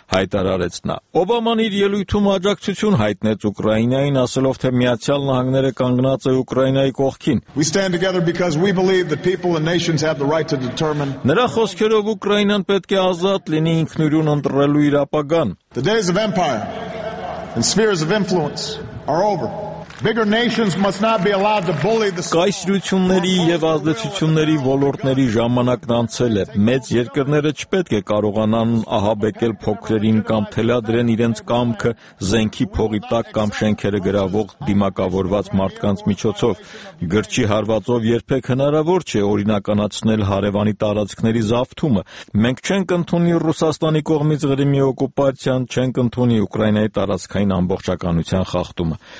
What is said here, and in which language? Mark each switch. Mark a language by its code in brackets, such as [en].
[hy] հայտարարեց նա։ Օբաման իր ելույթում աջակցություն հայտնեց Ուկրաինային, ասելով, թե Միացյալ Նահանգները կանգնած է Ուկրաինայի կողքին։ Նրա խոսքերով Ուկրաինան պետք է ազատ լինի ինքնուրույն ընտրելու իր ապագան։ [en] The days of empire and spheres of influence are over. Bigger nations must not be allowed to bully the small. [hy] Կայսրությունների և ազդեցությունների ոլորտների ժամանակն անցել է։ Մեծ երկրները չպետք է կարողանան ահաբեկել փոքրերին կամ թելադրեն իրենց կամքը զենքի փողի տակ կամ շենքերը գրավող դիմակավորված մարդկանց միջոցով։ Գրչի հարվածով երբեք հնարավոր չէ օրինականացնել հարևանի տարածքների զավթումը։ Մենք չենք ընդունի Ռուսաստանի կողմից Ղրիմի օկուպացիան, չենք ընդունի Ուկրաինայի տարածքային ամբողջականության խախտումը։